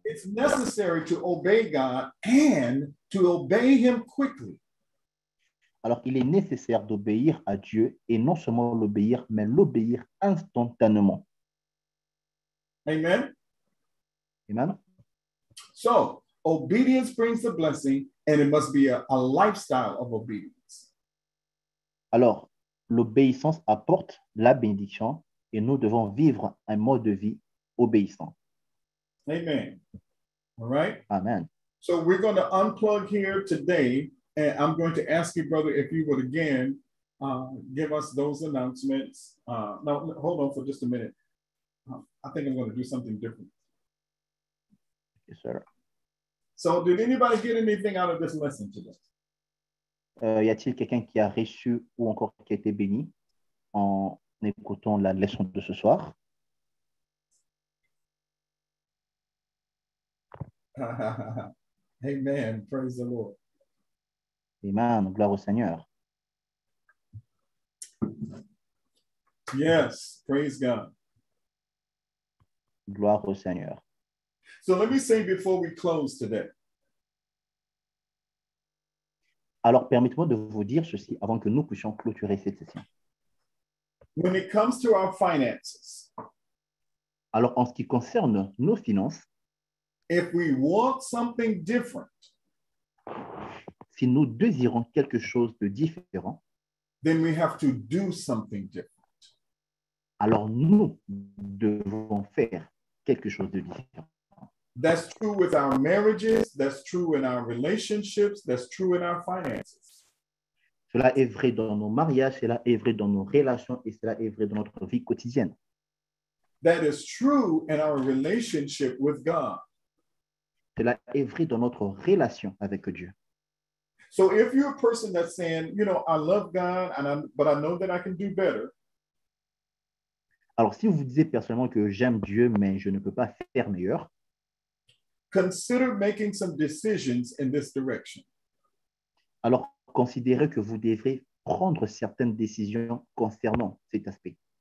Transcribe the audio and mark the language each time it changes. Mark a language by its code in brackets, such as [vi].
[en] It's necessary to obey God and to obey him quickly. [fr] Alors, il est nécessaire d'obéir à Dieu et non seulement l'obéir, mais l'obéir instantanément. [en] Amen. [fr] Amen. [en] So, obedience brings the blessing and it must be a lifestyle of obedience. [fr] Alors, l'obéissance apporte la bénédiction et nous devons vivre un mode de vie obéissant. [en] Amen. All right. [fr] Amen. [en] So, we're going to unplug here today. And I'm going to ask you, brother, if you would again give us those announcements. Now, hold on for just a minute. I think I'm going to do something different. Yes, sir. So, did anybody get anything out of this lesson today? [fr] Y a-t-il quelqu'un qui a reçu ou encore qui a été béni en écoutant la leçon de ce soir? [en] Amen. Praise the Lord. [fr] Amen. Gloire au Seigneur. [en] Yes, praise God. [fr] Gloire au Seigneur. [en] So let me say before we close today. [fr] Alors, permettez-moi de vous dire ceci avant que nous puissions clôturer cette session. [en] When it comes to our finances. [fr] Alors, en ce qui concerne nos finances. [en] If we want something different. [fr] Si nous désirons quelque chose de différent, [en] then we have to do something different. [fr] Alors nous devons faire quelque chose de différent. [en] That's true with our marriages, that's true in our relationships, that's true in our finances. [fr] Cela est vrai dans nos mariages, cela est vrai dans nos relations et cela est vrai dans notre vie quotidienne. [en] That is true in our relationship with God. [fr] Cela est vrai dans notre relation avec Dieu. [en] So if you're a person that's saying, you know, I love God, and but I know that I can do better. [fr] Alors, si vous disiez personnellement que j'aime Dieu, mais je ne peux pas faire meilleur. [en] Consider making some decisions in this direction. [fr] Alors, considérez que vous devrez prendre certaines décisions concernant cet aspect.